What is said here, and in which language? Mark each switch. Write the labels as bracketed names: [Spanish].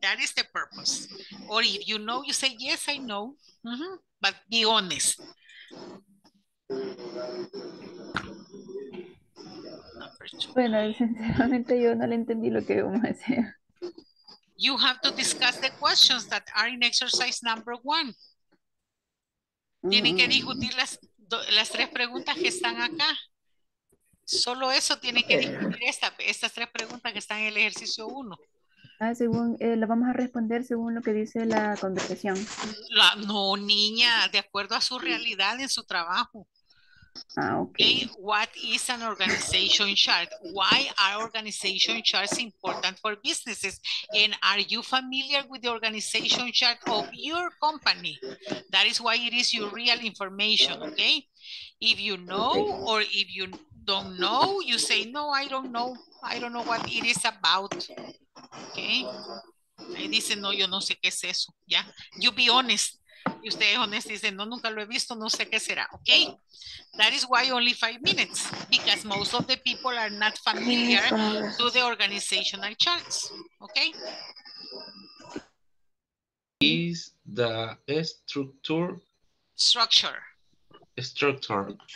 [English] That is the purpose. Or if you know, you say, yes, I know, but be honest. [Spanish] Bueno, sinceramente yo no le entendí lo que vamos a hacer. [English] You have to discuss the questions that are in exercise number one. [Spanish] Tienen que discutir las tres preguntas que están acá. Solo eso tienen que discutir estas tres preguntas que están en el ejercicio uno. Ah, según, la vamos a responder según lo que dice la conversación. No, niña, de acuerdo a su realidad en su trabajo. [English] Ah, okay. What is an organization chart? Why are organization charts important for businesses? And are you familiar with the organization chart of your company? That is why it is your real information, okay? If you know or if you don't know, you say, no, I don't know. I don't know what it is about, okay? [Spanish] Ahí dice, no, yo no sé qué es eso, [English] yeah? You be honest. [Spanish] Y ustedes honestos dicen, no, nunca lo he visto, no sé qué será, ¿ok? [English] That is why only 5 minutes, because most of the people are not familiar to the organizational charts, ¿ok? Is the structure? Structure. Structure.